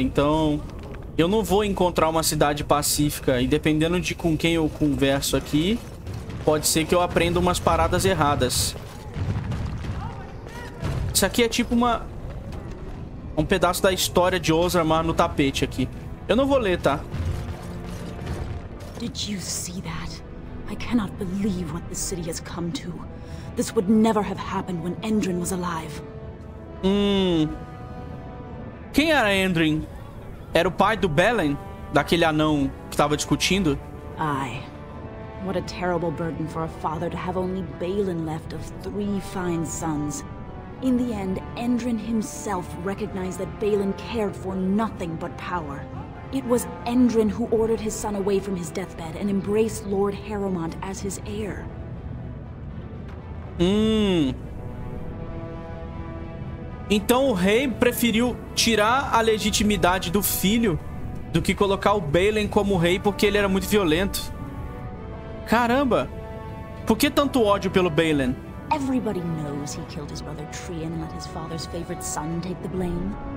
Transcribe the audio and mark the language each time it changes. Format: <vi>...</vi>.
<pt>Então, eu não vou encontrar uma cidade pacífica. E dependendo de com quem eu converso aqui, pode ser que eu aprenda umas paradas erradas. Isso aqui é tipo uma... um pedaço da história de Orzammar no tapete aqui. Eu não vou ler, tá?</pt> <en>Did you see that? I cannot believe what this city has come to. This would never have happened when Endrin was alive.</en> <pt>Quem era Endrin? Era o pai do Belen, daquele anão que estava discutindo?</pt> <en>Ai. What a terrible burden for a father to have only Balin left of three fine sons. In the end, Endrin himself recognized that Balin cared for nothing but power. It was Endrin who ordered his son away from his deathbed and embraced Lord Harrowmont as his heir.</en> <pt>Então o rei preferiu tirar a legitimidade do filho do que colocar o Balin como rei porque ele era muito violento. Caramba! Por que tanto ódio pelo Balin?</pt> <en>Everybody knows he killed his brother Trian and let his father's favorite son take the blame.</en>